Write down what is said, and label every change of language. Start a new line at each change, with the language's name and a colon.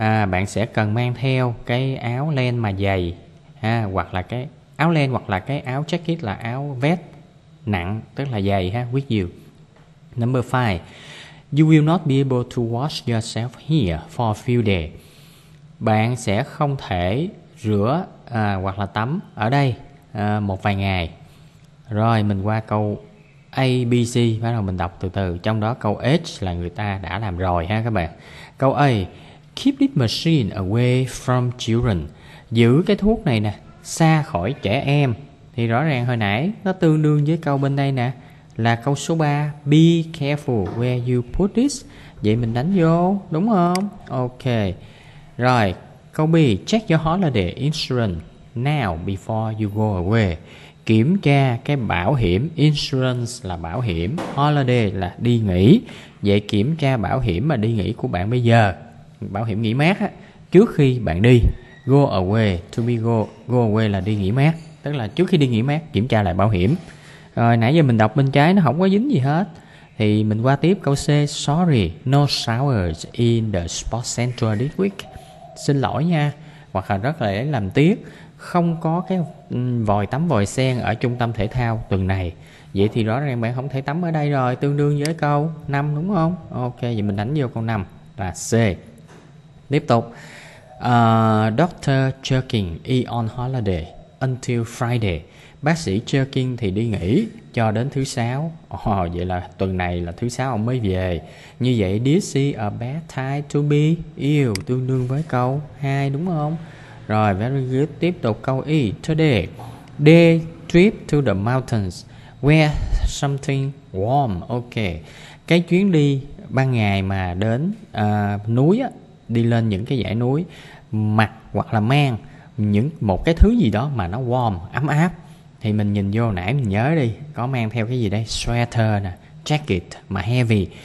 Vietnamese: Bạn sẽ cần mang theo cái áo len mà dày ha, hoặc là cái áo len hoặc là cái áo jacket là áo vest nặng, tức là dày ha, with you.
English: Number 5, you will not be able to wash yourself here for a few days.
Vietnamese: Bạn sẽ không thể rửa hoặc là tắm ở đây một vài ngày. Rồi, mình qua câu A, B, C, bắt đầu mình đọc từ từ. Trong đó câu H là người ta đã làm rồi ha các bạn.
English: Câu A, keep this machine away from children.
Vietnamese: Giữ cái thuốc này nè, xa khỏi trẻ em. Thì rõ ràng hồi nãy nó tương đương với câu bên đây nè. Là câu số 3,
English: be careful where you put this.
Vietnamese: Vậy mình đánh vô, đúng không? Ok.
English: Rồi, câu B, check your holiday insurance now before you go away.
Vietnamese: Kiểm tra cái bảo hiểm, insurance là bảo hiểm, holiday là đi nghỉ. Vậy kiểm tra bảo hiểm mà đi nghỉ của bạn bây giờ, bảo hiểm nghỉ mát á, trước khi bạn đi. Go away, to be go, go away là đi nghỉ mát. Tức là trước khi đi nghỉ mát, kiểm tra lại bảo hiểm. Rồi nãy giờ mình đọc bên trái nó không có dính gì hết. Thì mình qua tiếp câu C.
English: Sorry, no showers in the sports center this week.
Vietnamese: Xin lỗi nha, hoặc là rất là làm tiếc, không có cái vòi tắm vòi sen ở trung tâm thể thao tuần này. Vậy thì rõ ràng bạn không thể tắm ở đây rồi. Tương đương với câu 5 đúng không? Ok, vậy mình đánh vô câu 5 là C. Tiếp tục. Dr. Jerkin
English: is on holiday until Friday.
Vietnamese: Bác sĩ Jerkin thì đi nghỉ cho đến thứ sáu. Vậy là tuần này là thứ sáu ông mới về. Như vậy,
English: this is a bad time to be ill,
Vietnamese: tương đương với câu 2 đúng không? Rồi,
English: very good.
Vietnamese: Tiếp tục câu E.
English: Today, day trip to the mountains, wear something warm. Ok.
Vietnamese: Cái chuyến đi ban ngày mà đến núi á, đi lên những cái dãy núi, mặc hoặc là mang những một cái thứ gì đó mà nó warm, ấm áp. Thì mình nhìn vô nãy mình nhớ đi, có mang theo cái gì đây? Sweater nè, jacket mà heavy.